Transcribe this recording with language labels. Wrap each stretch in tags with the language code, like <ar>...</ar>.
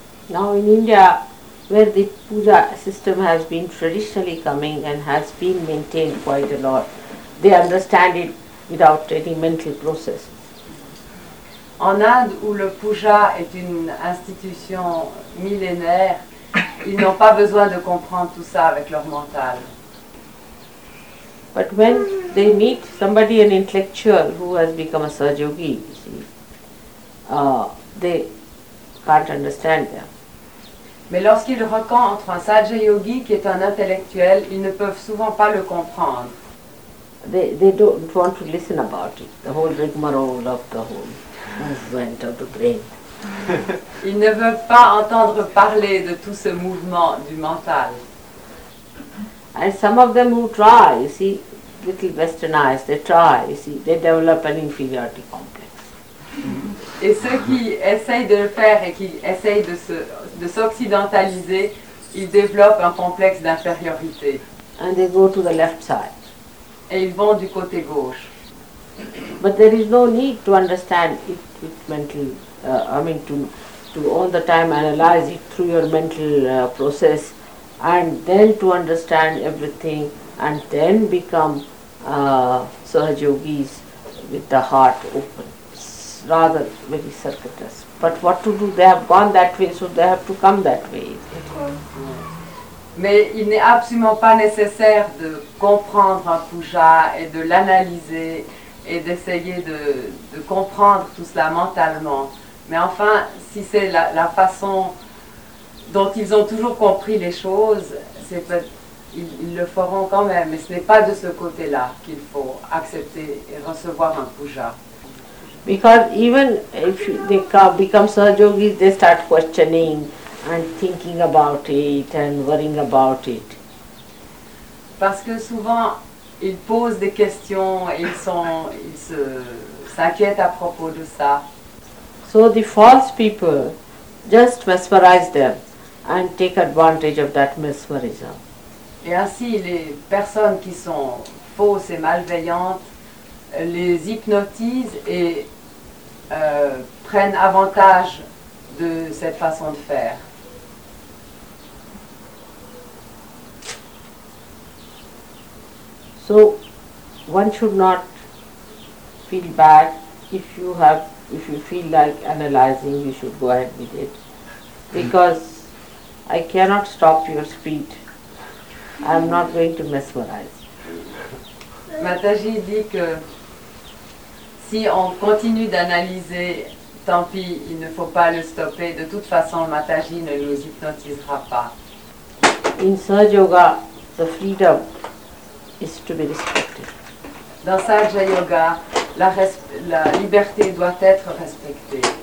<en>Now in India, where the puja system has been traditionally coming and has been maintained quite a lot, they understand it without any mental process.</en> <fr>En Inde, où le puja est une institution millénaire, ils n'ont pas besoin de comprendre tout ça avec leur mental.</fr> <en>But when they meet somebody, an intellectual who has become a sahajogi, you see, they can't understand them.</en> <fr>Mais lorsqu'ils rencontrent un sahaja yogi qui est un intellectuel, ils ne peuvent souvent pas le comprendre.</fr> <en>They don't want to listen about it, the whole rigmarole of the whole movement of the brain.</en> <fr>Ils ne veulent pas entendre parler de tout ce mouvement du mental.</fr> <en>And some of them who try, you see, little westernized, they try, you see, they develop an inferiority complex.</en> <fr>Et ceux qui essayent de le faire et qui essayent de s'occidentaliser, ils développent un complexe d'infériorité.</fr> <en>And they go to the left side.</en> <fr>Et ils vont du côté gauche.</fr> <en>But there is no need to understand it with mental, to all the time analyze it through your mental process, and then to understand everything, and then become sahajogis with the heart open. It's rather very circuitous. But what to do? They have gone that way, so they have to come that way.</en> <fr>Mais il n'est absolument pas nécessaire de comprendre un puja et de l'analyser et d'essayer de comprendre tout cela mentalement. Mais enfin, si c'est la façon dont ils ont toujours compris les choses, ils le feront quand même. Mais ce n'est pas de ce côté-là qu'il faut accepter et recevoir un puja.</fr> <en>Because even if they become sahajogis, they start questioning and thinking about it and worrying about it.</en> <fr>Parce que souvent, ils posent des questions et ils s'inquiètent à propos de ça.</fr> <en>So the false people just mesmerize them and take advantage of that mesmerism.</en> <fr>Et ainsi, les personnes qui sont fausses et malveillantes les hypnotisent et prennent avantage de cette façon de faire.</fr> <en>So, one should not feel bad if you feel like analyzing, you should go ahead with it. Because I cannot stop your speed. I am not going to mesmerize.</en> <fr>Mataji dit que si on continue d'analyser, tant pis, il ne faut pas le stopper. De toute façon, Mataji ne nous hypnotisera pas.</fr> <en>In Sahaja Yoga, the freedom is to be respected.</en> <fr>Dans Sahaja Yoga, la liberté doit être respectée.</fr>